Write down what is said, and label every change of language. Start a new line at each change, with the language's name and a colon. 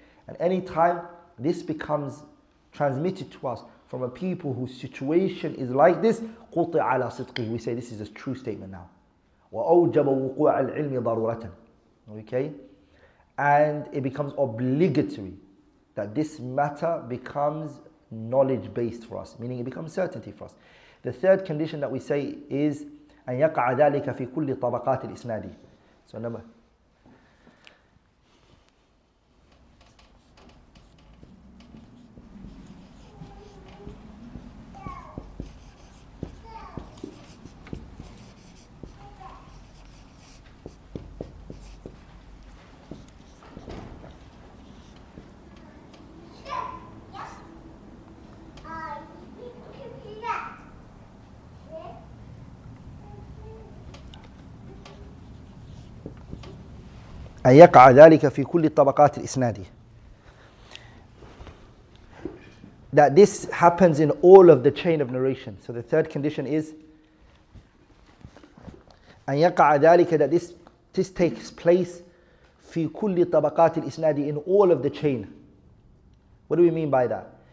English: And any time this becomes transmitted to us from a people whose situation is like this,
Arabic: قُطِعَ عَلَى صِدْقِهِ,
English: we say this is a true statement now.
Arabic: وَأَوْجَبَ وُقُوعَ الْعِلْمِ ضَرُورَةً.
English: Okay? And it becomes obligatory that this matter becomes knowledge-based for us, meaning it becomes certainty for us. The third condition that we say is,
Arabic: أن يقع ذلك في كل طبقات الإسناد.
English: So number.
Arabic: أن يقع ذلك في كل طبقات الإسنادي.
English: That this happens in all of the chain of narration. So the third condition is
Arabic: أن يقع ذلك,
English: that this takes place
Arabic: في كل طبقات الإسنادي,
English: in all of the chain. What do we mean by that?